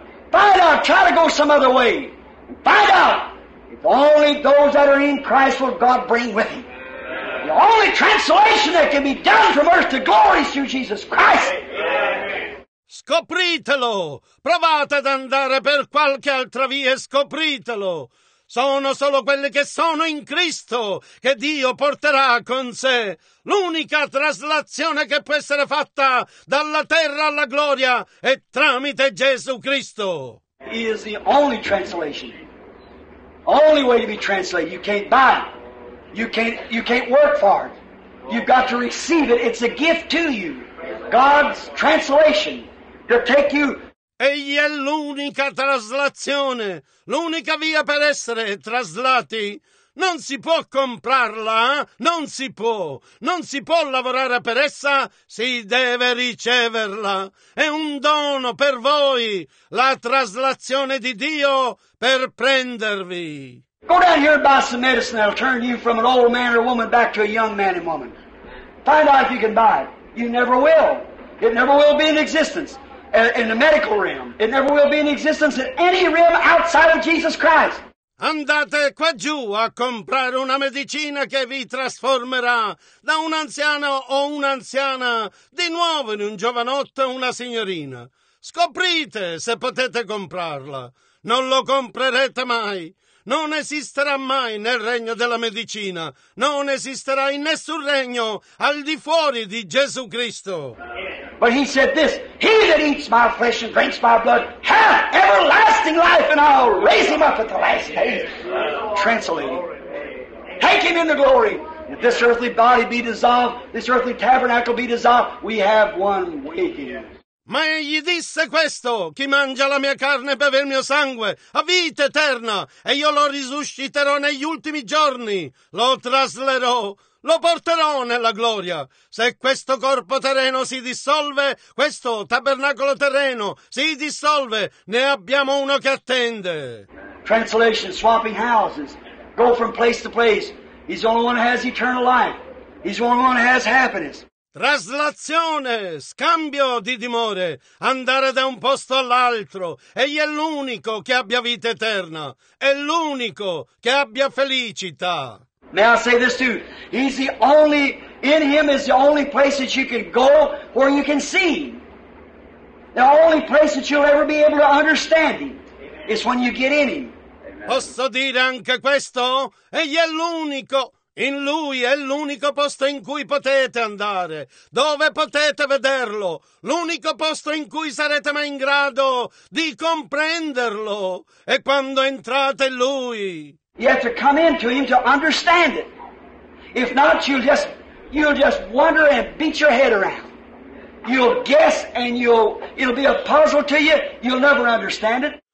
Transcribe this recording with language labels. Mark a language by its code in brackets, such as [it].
[en] Find out, try to go some other way. Find out if only those that are in Christ will God bring with him. The only translation that can be done from earth to glory is through Jesus Christ. [it] Scopritelo. Provate ad andare per qualche altra via e scopritelo. Sono solo quelli che sono in Cristo che Dio porterà con sé. L'unica traslazione che può essere fatta dalla terra alla gloria è tramite Gesù Cristo. [en] He is the only translation. Only way to be translated. You can't buy it. You can't work for it. You've got to receive it. It's a gift to you. God's translation to take you. [it] Egli è l'unica traslazione, l'unica via per essere traslati. Non si può comprarla, eh? Non si può. Non si può lavorare per essa, si deve riceverla. È un dono per voi, la traslazione di Dio per prendervi. [en] Go down here and buy some medicine that'll turn you from an old man or woman back to a young man and woman. Find out if you can buy it. You never will. It never will be in existence. In the medical realm. It never will be in existence in any realm outside of Jesus Christ. [it] Andate qua giù a comprare una medicina che vi trasformerà da un anziano o un'anziana di nuovo in un giovanotto o una signorina. Scoprite se potete comprarla. Non lo comprerete mai. Non esisterà mai nel regno della medicina. Non esisterà in nessun regno al di fuori di Gesù Cristo. [en] But he said this, he that eats my flesh and drinks my blood hath everlasting life, and I'll raise him up at the last day. Translate him. Take him into glory. If this earthly body be dissolved, this earthly tabernacle be dissolved, we have one waking. [it] Ma egli disse questo, chi mangia la mia carne e beve il mio sangue ha vita eterna, e io lo risusciterò negli ultimi giorni, lo traslerò. Lo porterò nella gloria. Se questo corpo terreno si dissolve, questo tabernacolo terreno si dissolve, ne abbiamo uno che attende. [en] Translation, swapping houses, go from place to place. He's the only one who has eternal life. He's the only one who has happiness. [it] Traslazione, scambio di dimore, andare da un posto all'altro. Egli è l'unico che abbia vita eterna, è l'unico che abbia felicità. [en] May I say this too? He's the only, in him is the only place that you can go where you can see. The only place that you'll ever be able to understand him is when you get in him. [it] Posso dire anche questo? Egli è l'unico, in lui è l'unico posto in cui potete andare, dove potete vederlo, l'unico posto in cui sarete mai in grado di comprenderlo, e quando entrate in lui. [en] You have to come into him to understand it. If not, you'll just wonder and beat your head around. You'll guess and it'll be a puzzle to you. You'll never understand it.